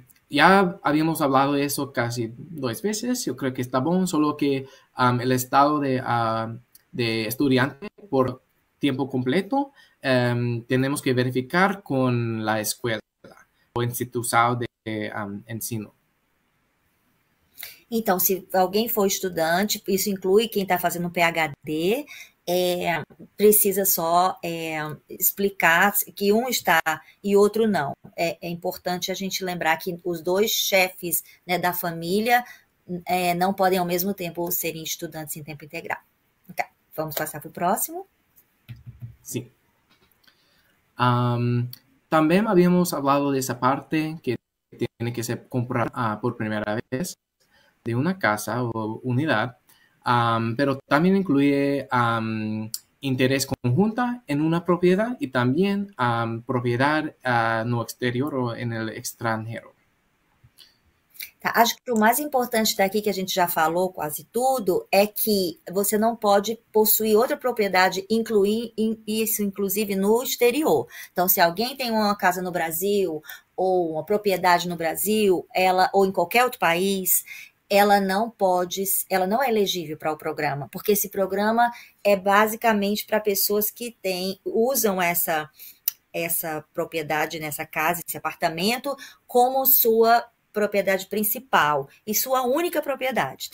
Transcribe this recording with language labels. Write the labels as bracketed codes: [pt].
[es] Ya habíamos hablado de eso casi dos veces. Yo creo que [pt] está bom, [es] solo que el estado de estudiante por tiempo completo tenemos que verificar con la escuela o instituto de ensino. [pt] Então, se alguém for estudante, isso inclui quem está fazendo PhD, precisa só explicar que um está e outro não. É importante a gente lembrar que os dois chefes, né, da família não podem ao mesmo tempo serem estudantes em tempo integral. Okay. Vamos passar para o próximo? Sim. Também havíamos falado dessa parte que tem que ser comprada por primeira vez. [es] De una casa o unidad, pero también incluye interés conjunta en una propiedad y también propiedad no exterior o en el extranjero. [pt] Tá, acho que o mais importante daqui, que a gente já falou quase tudo, é que você não pode possuir outra propriedade, incluir isso inclusive no exterior. Então, se alguém tem uma casa no Brasil ou uma propriedade no Brasil, ela ou em qualquer outro país, ela não é elegível para o programa, porque esse programa é basicamente para pessoas que usam essa propriedade, nessa casa, esse apartamento, como sua propriedade principal e sua única propriedade.